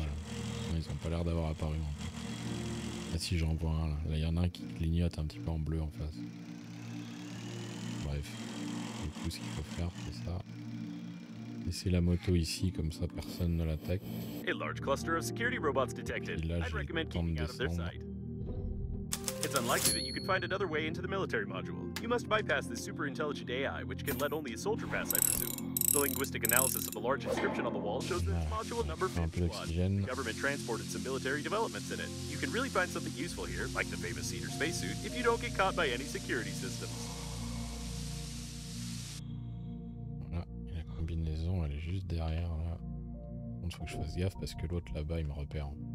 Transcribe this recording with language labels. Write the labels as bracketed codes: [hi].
[fr] Là. Ils ont pas l'air d'avoir apparu. En fait. Ah si, j'en vois un. Là, il y en a un qui clignote un petit peu en bleu en face. Bref, du coup, ce qu'il faut faire, c'est ça. Laisser la moto ici, comme ça, personne ne l'attaque. Et là, je vais descendre. [en] It's unlikely that you could find another way into the military module. You must bypass this super intelligent AI, which can let only a soldier pass, I presume. The linguistic analysis of the large inscription on the wall shows that it's module number 51. The government transported some military developments in it. You can really find something useful here, like the famous Cedar spacesuit, if you don't get caught by any security systems. [fr] Voilà, la combinaison, elle est juste derrière là. Il faut que je fasse gaffe parce que l'autre là-bas, il me repère.